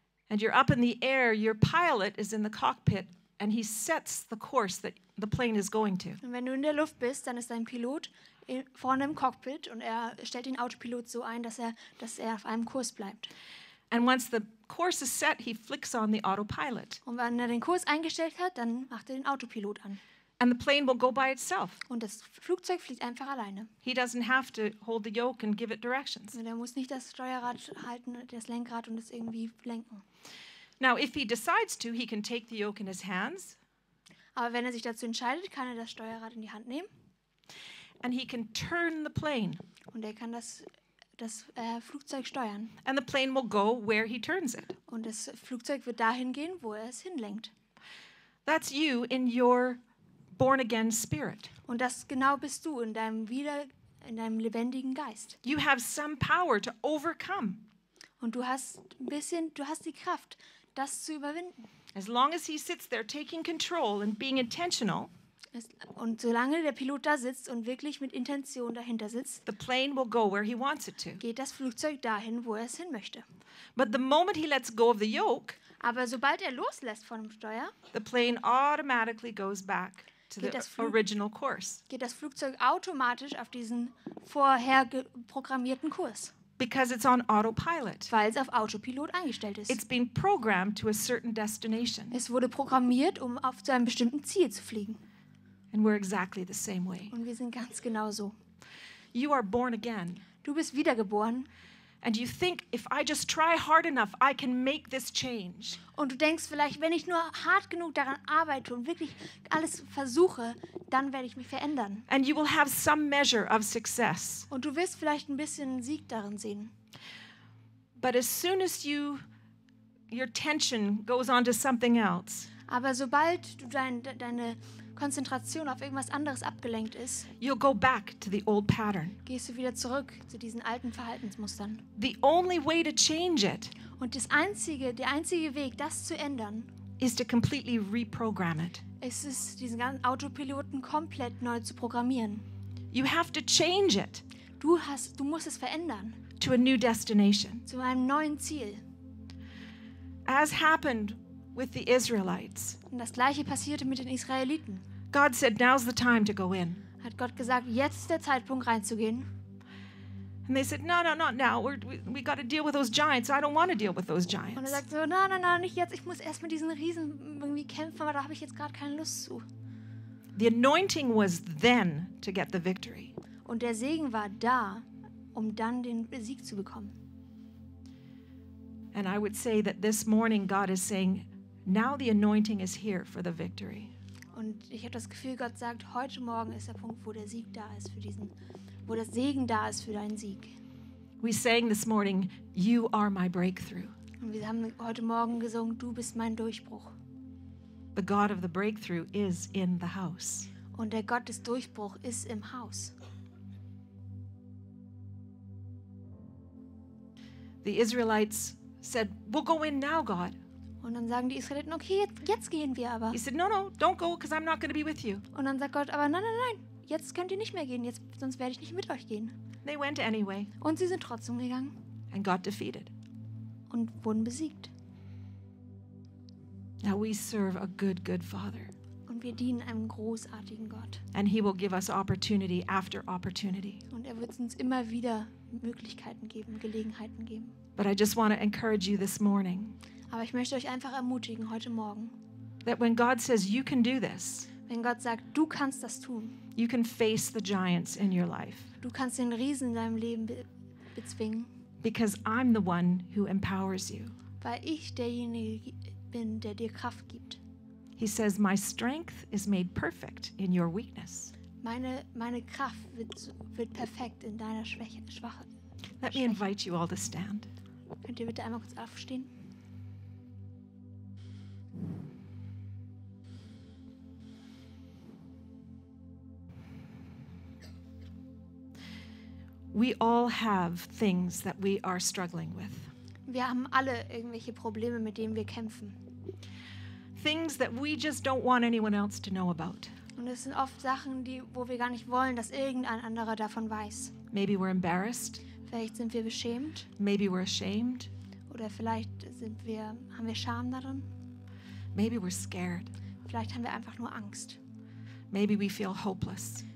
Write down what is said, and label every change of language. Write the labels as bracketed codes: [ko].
[en] and you're up in the air, your pilot is in the cockpit and he sets the course that the plane is going to. [de] Und wenn du in der Luft bist, dann ist dein Pilot vorne im Cockpit und er stellt den Autopilot so ein, dass er auf einem Kurs bleibt. [en] And once the course is set, he flicks on the autopilot. [de] Und wenn er den Kurs eingestellt hat, dann macht er den Autopilot an. [en] And the plane will go by itself. [de] Und das Flugzeug fliegt einfach alleine. [en] He doesn't have to hold the yoke and give it directions. [de] Und er muss nicht das Steuerrad halten, das Lenkrad und es irgendwie lenken. [en] Now, if he decides to, he can take the yoke in his hands. [de] Aber wenn er sich dazu entscheidet, kann er das Steuerrad in die Hand nehmen. [en] And he can turn the plane. [de] Und er kann das Flugzeug steuern. [en] And the plane will go where he turns it. [de] Und das Flugzeug wird dahin gehen, wo er es hinlenkt. [en] That's you in your born again spirit. [de] Und das genau bist du in deinem lebendigen Geist. [en] You have some power to overcome. [de] Und du hast die Kraft, das zu überwinden. [en] As long as he sits there taking control and being intentional. [de] Und solange der Pilot da sitzt und wirklich mit Intention dahinter sitzt, [en] the plane will go where he wants it to. [de] Geht das Flugzeug dahin, wo er es hin möchte. [en] But the moment he lets go of the yoke, [de] aber sobald er loslässt von dem Steuer, [en] the plane automatically goes back to the original course. [de] Geht das Flugzeug automatisch auf diesen vorher programmierten Kurs. [en] Because it's on autopilot. [de] Weil es auf Autopilot eingestellt ist. [en] It's been programmed to a certain destination. [de] Es wurde programmiert, um auf zu einem bestimmten Ziel zu fliegen. [en] And we're exactly the same way. [de] Und wir sind ganz genauso. [en] You are born again. [de] Du bist wiedergeboren. [en] And you think, if I just try hard enough, I can make this change. [de] Und du denkst vielleicht, wenn ich nur hart genug daran arbeite und wirklich alles versuche, dann werde ich mich verändern. [en] And you will have some measure of success. [de] Und du wirst vielleicht ein bisschen Sieg darin sehen. [en] But as soon as your tension goes on to something else. [de] Aber sobald du deine Konzentration auf irgendwas anderes abgelenkt ist. [en] You'll go back to the old pattern. [de] Gehst du wieder zurück zu diesen alten Verhaltensmustern. [en] The only way to change it. [de] Und der einzige Weg, das zu ändern, [en] is to completely reprogram it. [de] Es ist diesen ganzen Autopiloten komplett neu zu programmieren. [en] You have to change it. [de] Du musst es verändern. [en] To a new destination. [de] Zu einem neuen Ziel. [en] As happened with the Israelites. [de] Und das gleiche passierte mit den Israeliten. [en] God said, now's the time to go in. [de] Hat Gott gesagt, jetzt ist der Zeitpunkt reinzugehen. [en] And they said, no, not now. We got to deal with those giants. I don't want to deal with those giants. [de] Und er sagt so, no, nicht jetzt. Ich muss erst mit diesen Riesen irgendwie kämpfen, aber da habe ich jetzt gerade keine Lust zu. [en] The anointing was then to get the victory. [de] Und der Segen war da, um dann den Sieg zu bekommen. [en] And I would say that this morning God is saying, now the anointing is here for the victory. [de] Und ich habe das Gefühl, Gott sagt, heute Morgen ist der Punkt, wo der Sieg da ist für diesen, wo der Segen da ist für deinen Sieg. [en] We sang this morning, you are my breakthrough. [de] Und wir haben heute Morgen gesungen, du bist mein Durchbruch. [en] The God of the breakthrough is in the house. [de] Und der Gott des Durchbruchs ist im Haus. [en] The Israelites said, we'll go in now, God. [de] Und dann sagen die Israeliten, okay, jetzt gehen wir aber. [en] He said, no, don't go, because I'm not going to be with you. [de] Und dann sagt Gott, aber nein, jetzt könnt ihr nicht mehr gehen, jetzt, sonst werde ich nicht mit euch gehen. [en] They went anyway. [de] Und sie sind trotzdem gegangen. [en] And got defeated. [de] Und wurden besiegt. [en] Now we serve a good, good Father. [de] Und wir dienen einem großartigen Gott. [en] And he will give us opportunity after opportunity. [de] Und er wird uns immer wieder Möglichkeiten geben, Gelegenheiten geben. [en] But I just want to encourage you this morning. [de] Aber ich möchte euch einfach ermutigen heute Morgen. [en] That when God says you can do this. [de] Wenn Gott sagt, du kannst das tun. [en] You can face the giants in your life. [de] Du kannst den Riesen in deinem Leben bezwingen. [en] Because I'm the one who empowers you. [de] Weil ich derjenige bin, der dir Kraft gibt. [en] He says, my strength is made perfect in your weakness. [de] Meine Kraft wird perfekt in deiner Schwäche. [en] Let me invite you all to stand. [de] Könnt ihr bitte einmal kurz aufstehen? [en] We all have things that we are struggling with. [de] Wir haben alle irgendwelche Probleme, mit denen wir kämpfen. [en] Things that we just don't want anyone else to know about. [de] Und es sind oft Sachen, wo wir gar nicht wollen, dass irgendein anderer davon weiß. [en] Maybe we're embarrassed. [de] Vielleicht sind wir beschämt. [en] Maybe we're ashamed. [de] Oder vielleicht haben wir Scham darin. [en] Maybe we're scared. [de] Vielleicht haben wir einfach nur Angst. [en] Maybe we feel hopeless.